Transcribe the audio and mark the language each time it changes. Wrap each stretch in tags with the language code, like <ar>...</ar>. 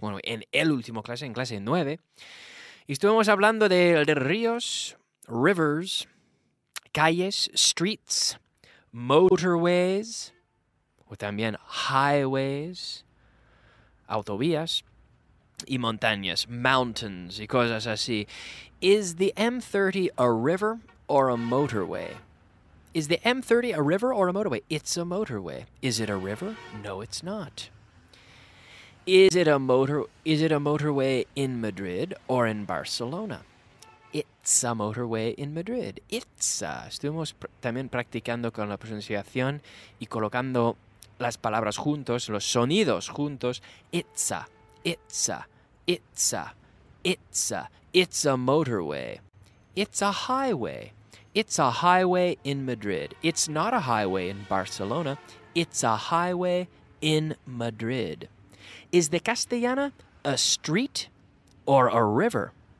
<es>Bueno, en el último clase, en clase 9. Y estuvimos hablando de ríos, rivers, calles, streets, motorways, o también highways, autovías y montañas, mountains y cosas así.</es> <en>Is the M30 a river or a motorway? Is the M30 a river or a motorway? It's a motorway. Is it a river? No, it's not. Is it a motorway in Madrid or in Barcelona? It's a motorway in Madrid. It's a.</en> <es>Estuvimos también practicando con la pronunciación y colocando las palabras juntos, los sonidos juntos.</es> <en>It's a, it's a, it's a, it's a, it's a motorway. It's a highway. It's a highway in Madrid. It's not a highway in Barcelona. It's a highway in Madrid. Is the Castellana a street or a river?</en>